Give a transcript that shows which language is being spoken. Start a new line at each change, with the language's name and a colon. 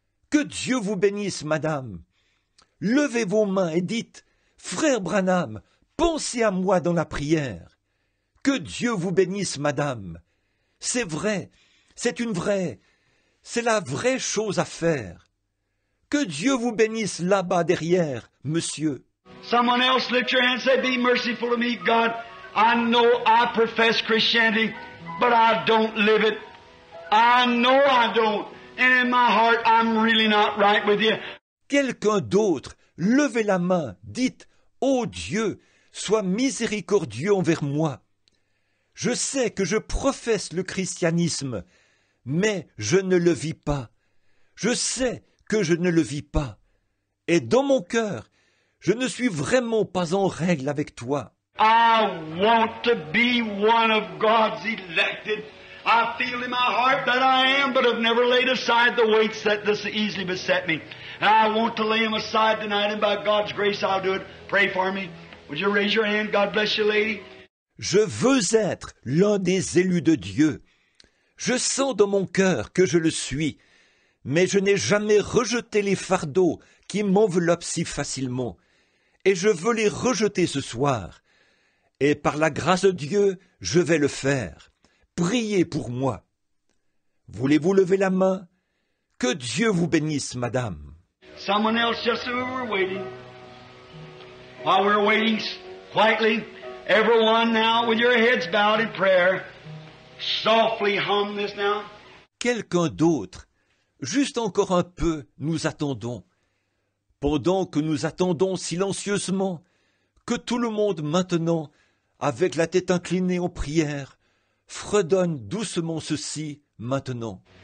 French: Que Dieu vous bénisse, madame. Levez vos mains et dites, Frère Branham, pensez à moi dans la prière. Que Dieu vous bénisse, madame. C'est vrai, c'est la vraie chose à faire. Que Dieu vous bénisse là-bas derrière, monsieur.
English: Someone else lift your hand and say, be merciful to me, God. I know I profess Christianity, but I don't live it. I know I don't. And in my heart, I'm really not right with you.
French: Quelqu'un d'autre, levez la main, dites, ô Dieu, sois miséricordieux envers moi. Je sais que je professe le christianisme, mais je ne le vis pas. Je sais que je ne le vis pas. Et dans mon cœur, je ne suis vraiment pas en règle avec toi.
English: I want to be one of God's elected. I feel in my heart that I am, but I've never laid aside the weights that this easily beset me. And I want to lay them aside tonight, and by God's grace I'll do it. Pray for me. Would you raise your hand? God bless you, lady.
French: Je veux être l'un des élus de Dieu. Je sens dans mon cœur que je le suis, mais je n'ai jamais rejeté les fardeaux qui m'enveloppent si facilement, et je veux les rejeter ce soir. Et par la grâce de Dieu, je vais le faire. Priez pour moi. Voulez-vous lever la main? Que Dieu vous bénisse, madame.
English: Someone else just who we're waiting. While we're waiting quietly, everyone now with your heads bowed in prayer, softly hum this now.
French: Quelqu'un d'autre, juste encore un peu, nous attendons. Pendant que nous attendons silencieusement, que tout le monde maintenant, avec la tête inclinée en prière, fredonne doucement ceci maintenant.